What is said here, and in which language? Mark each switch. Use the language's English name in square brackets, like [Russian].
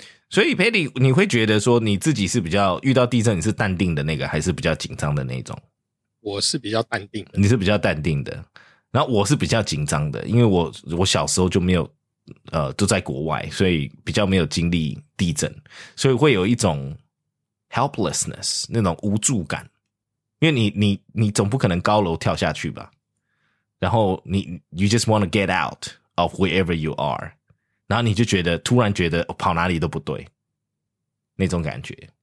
[Chinese] So, Pitty, 你会觉得说你自己是比较遇到地震，你是淡定的那个，还是比较紧张的那种？我是比较淡定的。你是比较淡定的，然后我是比较紧张的，因为我小时候就没有，都在国外，所以比较没有经历地震，所以会有一种 helplessness 那种无助感，因为你总不可能高楼跳下去吧。 [English] 然后你 you just want to get out of wherever you are. [Chinese] 然后你就觉得突然觉得跑哪里都不对。那种感觉。